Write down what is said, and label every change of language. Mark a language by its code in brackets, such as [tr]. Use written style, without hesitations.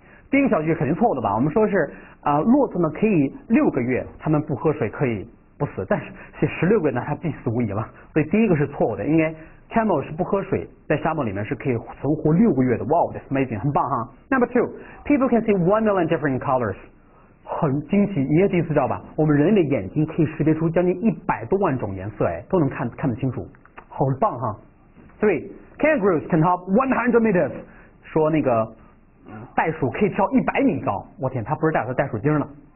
[zh] 第一个小句肯定错了吧？我们说是骆驼们可以六个月，他们不喝水可以不死，但是写十六个月呢，他必死无疑了。所以第一个是错的，应该Camel 是不喝水，在沙漠里面是可以存活六个月的。 [en] Wow, that's amazing, [zh] 很棒哈。 [en] Number two, people can see 1 million different colors. [zh] 很惊奇，你也第一次知道吧？我们人类的眼睛可以识别出将近100多万种颜色，哎，都能看得清楚，好棒哈。 [en] Three, kangaroos can hop 100 meters. [zh] 说那个袋鼠可以跳100米高，我天，它不是袋鼠，袋鼠精了。